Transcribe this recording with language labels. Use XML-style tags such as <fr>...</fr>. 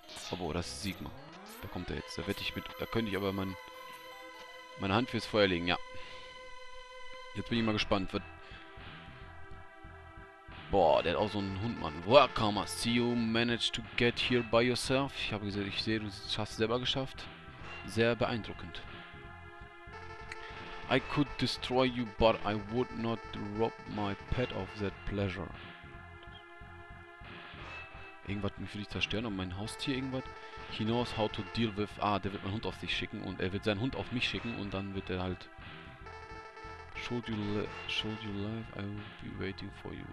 <de>Obwohl, das ist Sigma. Da kommt er jetzt. Da wette ich mit. Da könnte ich aber meine Hand fürs Feuer legen, ja. Jetzt bin ich mal gespannt. Wird. Boah, der hat auch so einen Hund, Mann.</de> <en>Welcome, see you managed to get here by yourself.</en> <de>Ich habe gesagt, ich sehe, du hast es selber geschafft. Sehr beeindruckend.</de> <en>I could destroy you, but I would not rob my pet of that pleasure.</en> <de>Irgendwas mich will ich zerstören und mein Haustier irgendwas.</de> <en>He knows how to deal with.</en> <de>Ah, der wird meinen Hund auf sich schicken und er wird seinen Hund auf mich schicken und dann wird er halt.</de> <en>Showed you life, I will be waiting for you.</en>